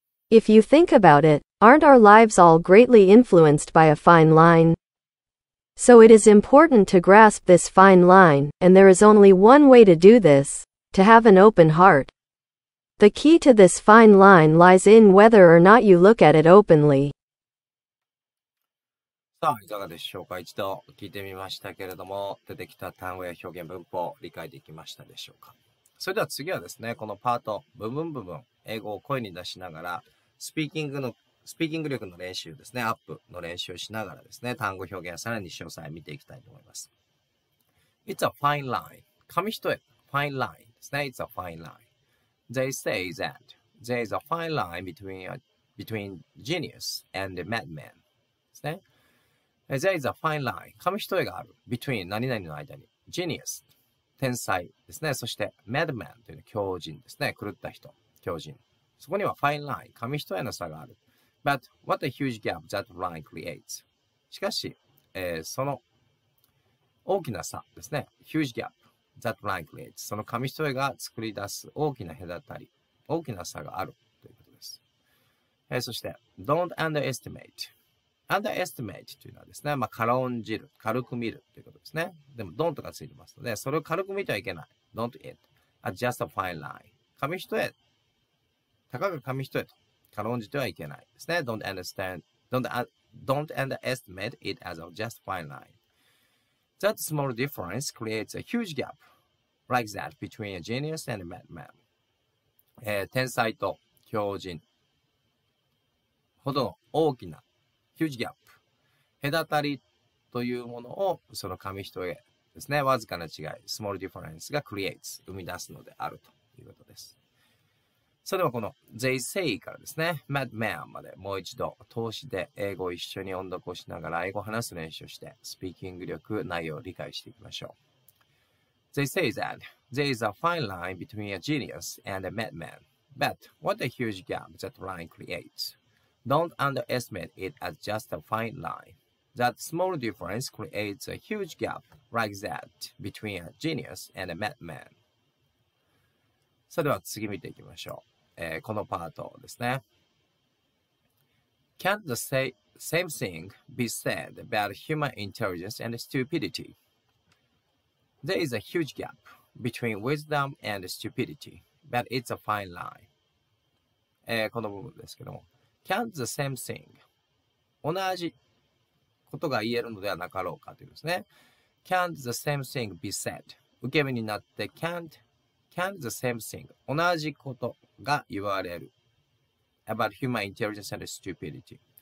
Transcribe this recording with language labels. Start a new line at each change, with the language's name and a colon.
English: If you think about it, aren't our lives all greatly influenced by a fine line? So it is important to grasp this fine line, and there is only one way to do this, to have an open heart. The key to this fine line lies in whether or not you look at it openly.
Japanese: さあ、いかがでしょうか。一度聞いてみましたけれども、出てきた単語や表現、文法、理解できましたでしょうか。それでは次はですね、このパート、部分部分、英語を声に出しながら、スピーキング力の練習ですね、アップの練習をしながらですね、単語表現、さらに詳細を見ていきたいと思います。
English: It's a fine line.
Japanese: 紙一重、
English: fine line ですね。It's a fine line. They say that there is a fine line between genius and madman. ですね。There is a fine line.
Japanese: 紙一重がある。
English: Between
Japanese: 何々の間に。
English: Genius.
Japanese: 天才ですね。そして
English: Madman
Japanese: というのは狂人ですね。狂った人。狂人。そこには
English: Fine line.
Japanese: 紙一重の差がある。
English: But what a huge gap that line creates.
Japanese: しかし、その大きな差ですね。
English: Huge gap that line creates.
Japanese: その紙一重が作り出す大きな隔たり。大きな差があるということです。そして
English: Don't underestimate. Underestimate
Japanese: というのはですね、まあ、軽んじる、軽く見るということですね。でも、don't がついてますので、それを軽く見てはいけない。
English: don't it. A just a fine line.
Japanese: 紙一重。たかが紙一重と。軽んじてはいけないですね。
English: don't understand, don't underestimate it as a just fine line. That small difference creates a huge gap like that between a genius and a madman.
Japanese: 天才と狂人ほどの大きな
English: Huge gap.
Japanese: 隔たりというものをその紙一重ですね。わずかな違い、
English: small difference
Japanese: が
English: creates、
Japanese: 生み出すのであるということです。それではこの
English: they say
Japanese: からですね、
English: madman
Japanese: までもう一度通しで英語を一緒に音読をしながら英語を話す練習をして、スピーキング力、内容を理解していきましょう。
English: They say that there is a fine line between a genius and a madman, but what a huge gap that line creates. Don't underestimate it as just a fine line. That small difference creates a huge gap like that between a genius and a madman.
Japanese: それでは次見ていきましょう。このパートですね。
English: Can't the same thing be said about human intelligence and stupidity? There is a huge gap between wisdom and stupidity, but it's a fine line.
Japanese: この部分ですけども。
English: Can't the same thing.
Japanese: 同じことが言えるのではなかろうかというですね。
English: Can't the same thing be said.
Japanese: 受け身になって
English: can't the same thing.
Japanese: 同じことが言われる。
English: About human intelligence and stupidity.